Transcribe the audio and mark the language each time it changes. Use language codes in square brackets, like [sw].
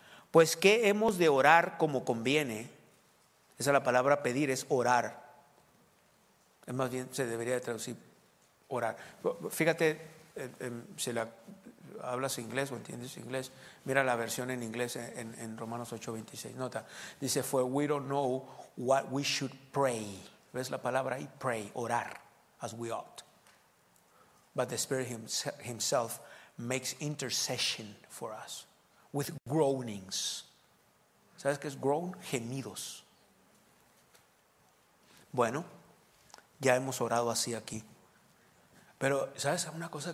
[es] Pues, ¿qué hemos de orar como conviene? Esa es la palabra pedir, es orar. Es más bien, se debería traducir orar. Fíjate, si la, hablas inglés o entiendes inglés, mira la versión en inglés en Romanos 8:26. Nota, dice: [en] For we don't know what we should pray. [es] ¿Ves la palabra ahí? [en] Pray, orar. As we ought, but the Spirit himself makes intercession for us with groanings. [es] ¿Sabes qué es groan? Gemidos. Bueno, ya hemos orado así aquí, pero ¿sabes una cosa?